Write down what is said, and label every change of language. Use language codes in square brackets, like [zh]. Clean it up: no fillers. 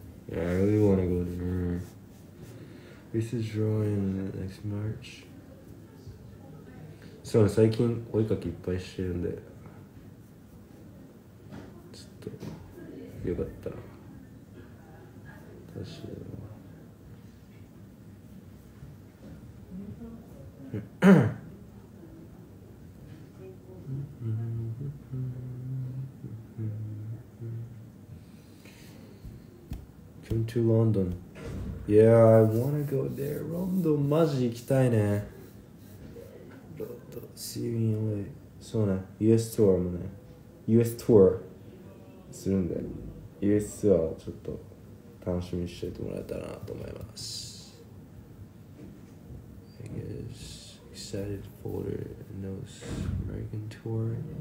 [en] Yeah, I really want to go to Malaysia. This is drawing next March. [ja] そう、最近お絵かきいっぱいしてるんで、ちょっとよかったら出しよう。 [en] Come to London. Yeah, I wanna go there. London, [ja] マジ行きたいね。 [en] London, see you in LA. [ja] そうね、US tour もね。US tour するんで、US tour はちょっと楽しみにしててもらえたらなと思います。 [en] I guess excited for the North American tour.